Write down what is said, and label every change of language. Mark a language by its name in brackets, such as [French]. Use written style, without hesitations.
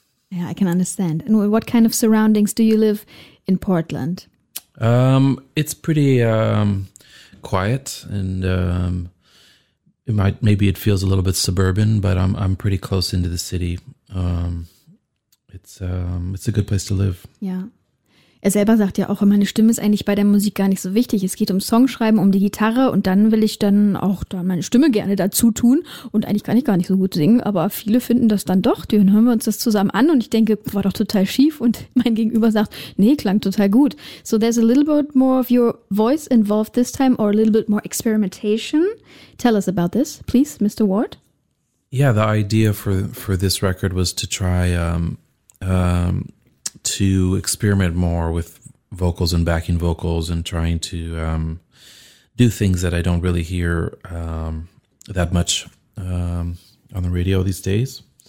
[English] Yeah, I can understand. And what kind of surroundings do you live in Portland? It's pretty quiet, and maybe it feels a little bit suburban, but I'm pretty close into the city. It's a good place to live. Yeah. [German] Er selber sagt ja auch, meine Stimme ist eigentlich bei der Musik gar nicht so wichtig. Es geht um Songschreiben, um die Gitarre, und dann will ich dann auch da meine Stimme gerne dazu tun. Und eigentlich kann ich gar nicht so gut singen, aber viele finden das dann doch. Dann hören wir uns das zusammen an und ich denke, war doch total schief. Und mein Gegenüber sagt, nee, klang total gut. [English] So there's a little bit more of your voice involved this time, or a little bit more experimentation. Tell us about this, please, Mr. Ward. Yeah, the idea for this record was to try to experiment more with vocals and backing vocals, and trying to do things that I don't really hear that much on the radio these days.